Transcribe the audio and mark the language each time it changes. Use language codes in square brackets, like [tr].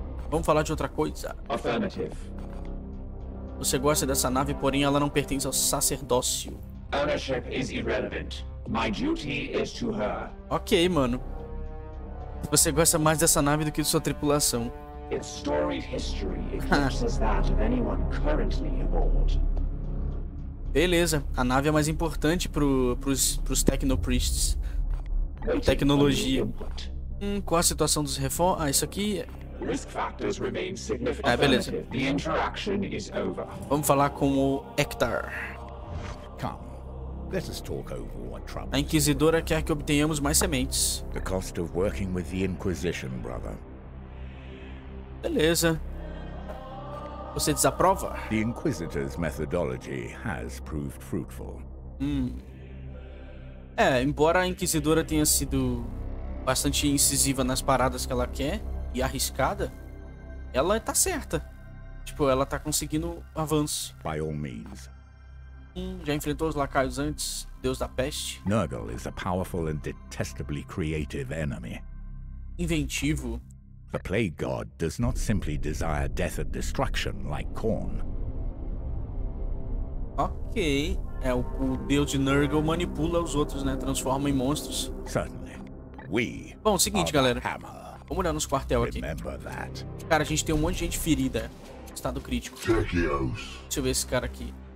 [pt] Vamos falar de outra coisa. [en] Affirmative. [pt] Você gosta dessa nave, porém ela não pertence ao sacerdócio. [en] Ownership is irrelevant. My duty is to her. [pt] Ok, mano. Você gosta mais dessa nave do que de sua tripulação. [en] Its storied history eclipses that of anyone currently aboard. [pt] Beleza, a nave é mais importante pros Tecnopriests. Tecnologia. Qual a situação dos reforços? Ah, isso aqui. [en] Risk factors remain significant. [pt] Ah, beleza. [en] The interaction is over. [pt] Vamos falar com o Hector. [en] Come. Let us talk over what troubles. [pt] A inquisidora quer que obtenhamos mais sementes. [en] The cost of working with the Inquisition, brother. [pt] Beleza. Você desaprova? [en] The Inquisitor's methodology has proved fruitful. [pt] É, embora a Inquisidora tenha sido bastante incisiva nas paradas que ela quer e arriscada, ela tá certa. Tipo, ela tá conseguindo avanço. [en] By all means. [pt] Já enfrentou os lacaios antes, Deus da Peste? [en] Nurgle is a powerful and detestably creative enemy. [pt] Inventivo. [en] The Plague God does not simply desire death and destruction like Khorne. [pt] Ok, é o deus de Nurgle manipula os outros, né? Transforma em monstros. [en] Certainly. We. [pt] Bom, seguinte, galera. Hammer. Vamos olhar nos quartel aqui. [en] Remember that. [pt] Cara, a gente tem um monte de gente ferida. Estado crítico. Tecios. Deixa eu ver esse cara aqui.